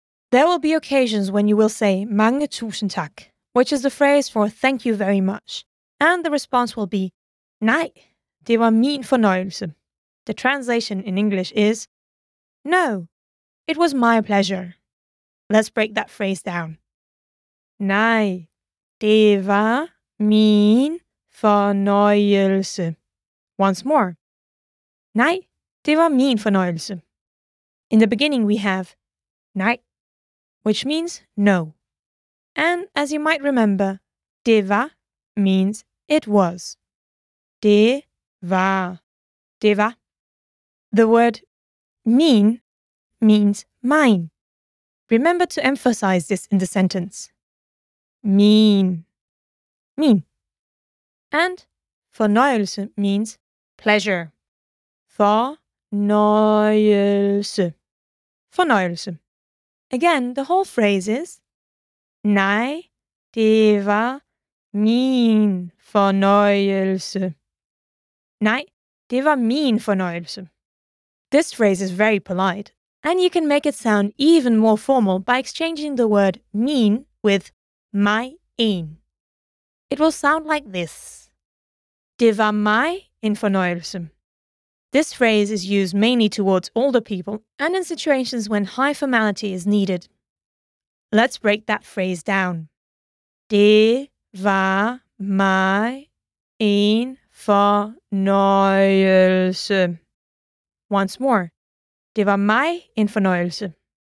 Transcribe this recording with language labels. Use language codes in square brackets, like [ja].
[en] There will be occasions when you will say [da] mange tusen tak, [en] which is the phrase for thank you very much, and the response will be [da] nej, det var min fornøjelse. [en] The translation in English is no, it was my pleasure. Let's break that phrase down. [da] Nej, det var min fornøjelse. [en] Once more. [da] Nej, det var min fornøjelse. [en] In the beginning we have nej, which means no. And as you might remember, det var means it was. [da] Det var. Det var. [en] The word min means mine. Remember to emphasize this in the sentence. Min. Min. And fornøjelse means pleasure. Fornøjelse. Fornøjelse. Again, the whole phrase is [da] nej, det var min fornøjelse. Nej, det var min fornøjelse. [en] This phrase is very polite, and you can make it sound even more formal by exchanging the word min with my in. It will sound like this. [da] Det var mig en fornøjelse. [en] This phrase is used mainly towards older people and in situations when high formality is needed. Let's break that phrase down. [da] Det var mig en fornøjelse. [en] Once more. [da] Det var mig en fornøjelse.